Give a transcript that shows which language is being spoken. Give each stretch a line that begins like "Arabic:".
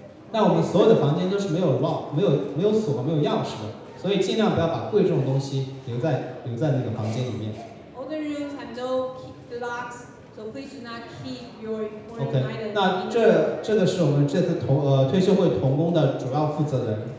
Chinese: 那我们所有的房间都是没有 lock， 没有锁、没有钥匙的，所以尽量不要把贵重的东西留在那个房间里面。
English: All the rooms have no locks, so please do not keep your important items.
Chinese: OK， 那这个是我们这次退休会同工的主要负责人。